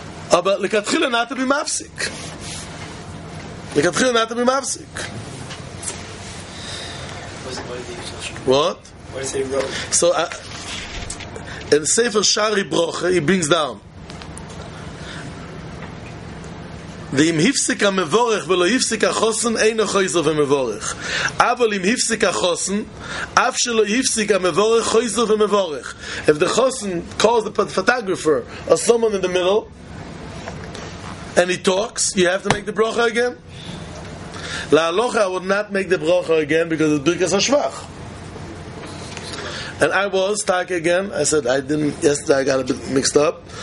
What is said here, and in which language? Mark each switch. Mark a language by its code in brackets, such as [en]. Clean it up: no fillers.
[en] But like atchila, not to be mafsik. Like atchila, not to be mafsik. What? So in Sefer Shari Broche, he brings down. [he] ואם הפסיק המבורך ולא הפסיק החוסן, אין חויזר ומבורך. אבל אם הפסיק החוסן, אף שלא הפסיק המבורך, חויזר ומבורך. [en] If the חוסן calls the photographer or someone in the middle, and he talks, you have to make the brocha again. להלוכה, I would not make the brocha again because it's ברכס השבח. And I was stuck again. I said, I didn't, yesterday I got a bit mixed up.